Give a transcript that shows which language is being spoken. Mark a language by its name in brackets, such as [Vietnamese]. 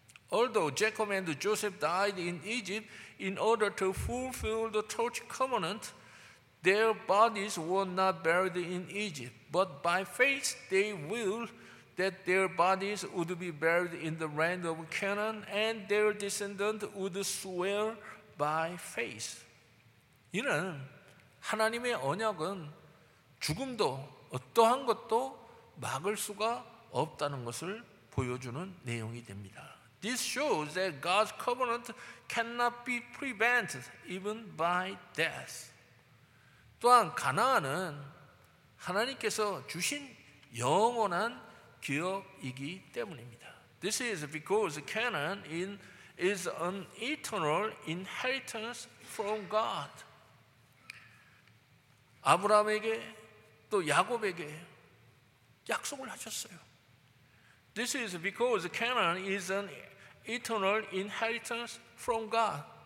[English] Although Jacob and Joseph died in Egypt in order to fulfill the torch covenant, their bodies were not buried in Egypt, but by faith they willed that their bodies would be buried in the land of Canaan, and their descendants would swear by faith. [Korean] 이는 하나님의 언약은 죽음도 어떠한 것도 막을 수가 없다는 것을 보여주는 내용이 됩니다. [English] This shows that God's covenant cannot be prevented even by death. [Korean] 또한 가나안은 하나님께서 주신 영원한 기업이기 때문입니다. [English] This is because Canaan is an eternal inheritance from God. [Korean] 아브라함에게 또 야곱에게 약속을 하셨어요. [English] This is because Canaan is an eternal inheritance from God.